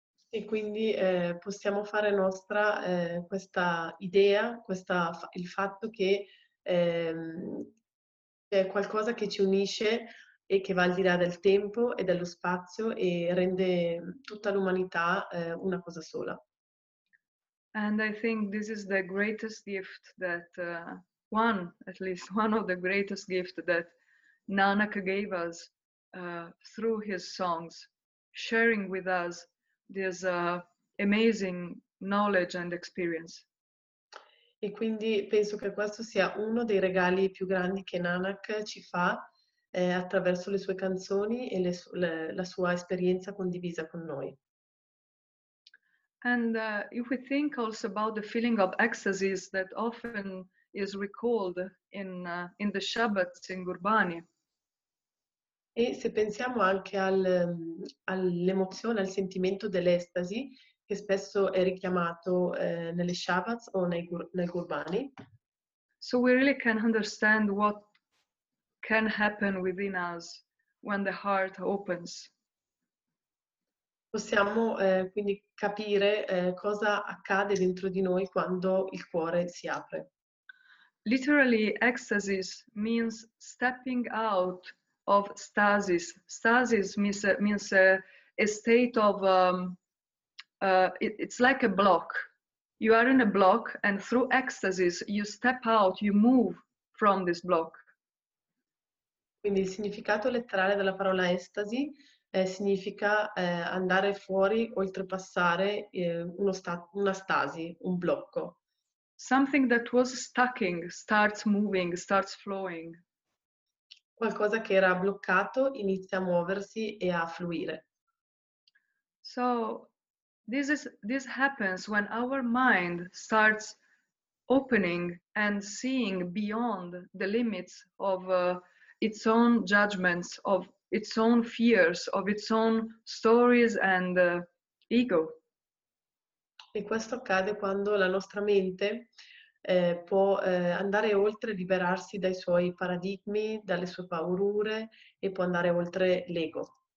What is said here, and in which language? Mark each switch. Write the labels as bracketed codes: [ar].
[it] E quindi possiamo fare nostra questa idea, il fatto che c'è qualcosa che ci unisce e che va al di là del tempo e dello spazio e rende tutta l'umanità una cosa sola. [en] And I think this is the greatest gift that one, at least one of the greatest gifts that Nanak gave us through his songs, sharing with us this amazing knowledge and experience. [it] E quindi penso che questo sia uno dei regali più grandi che Nanak ci fa attraverso le sue canzoni e la sua esperienza condivisa con noi. [en] And if we think also about the feeling of ecstasy that often is recalled in the Shabbat in Gurbani. [it] E se pensiamo anche all'emozione, al sentimento dell'estasi che spesso è richiamato nelle Shabbat o nei Gurbani. [en] So we really can understand what can happen within us when the heart opens. [it] Possiamo quindi capire cosa accade dentro di noi quando il cuore si apre. [en] Literally, ecstasy means stepping out of stasis. Stasis means a state of, it's like a block. You are in a block and through ecstasy you step out, you move from this block. [it] Quindi il significato letterale della parola estasi significa andare fuori, oltrepassare una stasi, un blocco. [en] Something that was stucking starts moving, starts flowing. [it] Qualcosa che era bloccato inizia a muoversi e a fluire. [en] So this happens when our mind starts opening and seeing beyond the limits of its own judgments, of its own fears, of its own stories and ego. [it] E questo accade quando la nostra mente può andare oltre, liberarsi dai suoi paradigmi, dalle sue paure e può andare oltre l'ego.